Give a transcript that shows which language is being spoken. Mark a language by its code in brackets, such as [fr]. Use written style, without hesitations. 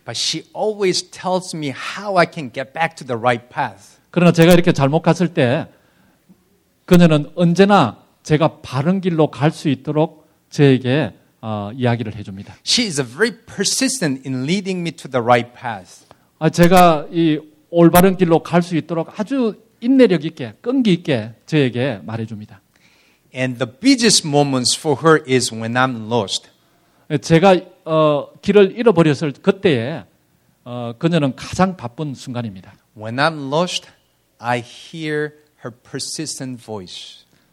[en] But she always tells me how I can get back to the right path. [ko] 그러나 제가 이렇게 잘못 갔을 때 그녀는 언제나 제가 바른 길로 갈 수 있도록 저에게 이야기를 해 줍니다. [en] She is very persistent in leading me to the right path. [ko] 아, 제가 이 올바른 길로 갈 수 있도록 아주 인내력 있게, 끈기 있게 저에게 말해 줍니다. [en] And the biggest moments for her is when I'm lost. [ko] 제가 길을 잃어버렸을 그때에 그녀는 가장 바쁜 순간입니다. [en] When I'm lost, I hear her persistent voice.